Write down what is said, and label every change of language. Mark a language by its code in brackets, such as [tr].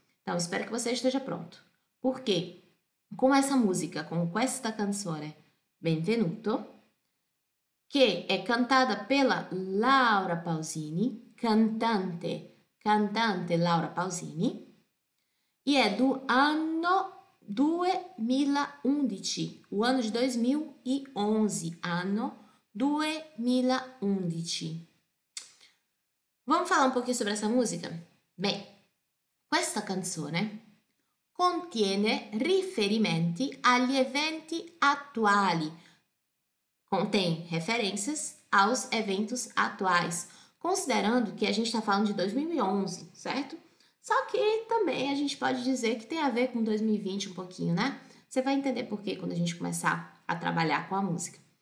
[pt] Então, espero que você esteja pronto. Porque com essa música, com [it] questa canzone, [pt] Benvenuto, que é cantada pela Laura Pausini, [it] cantante Laura Pausini, [pt] e é do [it] anno 2011, [pt] o ano de 2011, anno 2011. Vamos falar um pouquinho sobre essa música? [it] Bem, questa canzone contiene riferimenti agli eventi attuali. [pt] Contém referências aos eventos atuais, considerando que a gente está falando de 2011, certo? Só que também a gente pode dizer que tem a ver com 2020 um pouquinho, né? Você vai entender por quê quando a gente começar a trabalhar com a música.